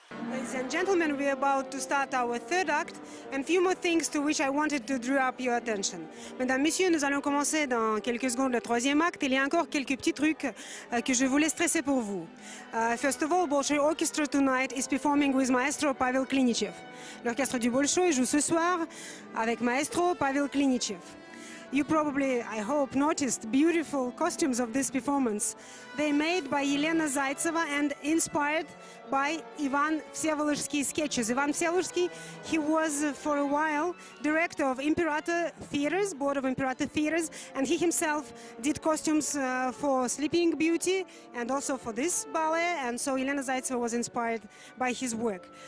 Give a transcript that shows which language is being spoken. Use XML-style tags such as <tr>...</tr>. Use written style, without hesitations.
<en>Ladies and gentlemen, we are about to start our third act and a few more things to which I wanted to draw up your attention.</en> <fr>Mesdames, Messieurs, nous allons commencer dans quelques secondes le troisième acte. Il y a encore quelques petits trucs que je voulais stresser pour vous.</fr> <en>First of all, Bolshoi Orchestra tonight is performing with Maestro Pavel Klinichev.</en> <fr>L'orchestre du Bolshoi joue ce soir avec Maestro Pavel Klinichev.</fr> <en>You probably, I hope, noticed beautiful costumes of this performance. They made by Yelena Zaitseva and inspired by Ivan Vsevolozhsky's sketches. Ivan Vsevolozhsky, he was for a while director of Imperator Theatres, Board of Imperator Theatres, and he himself did costumes for Sleeping Beauty and also for this ballet, and so Yelena Zaitseva was inspired by his work.</en>